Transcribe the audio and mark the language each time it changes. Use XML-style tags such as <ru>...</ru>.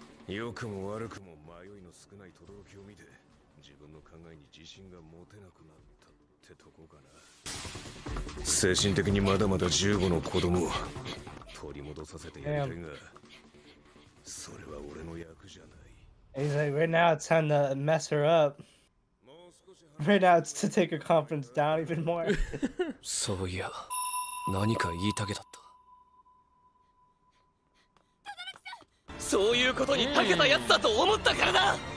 <ja>良くも悪くも迷いの少ないトドロクを見て、自分の考えに自信が持てなくなったってとこかな。精神的にまだまだ15の子供を取り戻させてやりたいが、それは俺の役じゃない。</ja> <en>He's like, right now it's time to mess her up. Right now it's to take her confidence down even more.</en> <ja>そういや、何か言いたげだった。そういうことにたけたやつだと思ったからだ。</ja>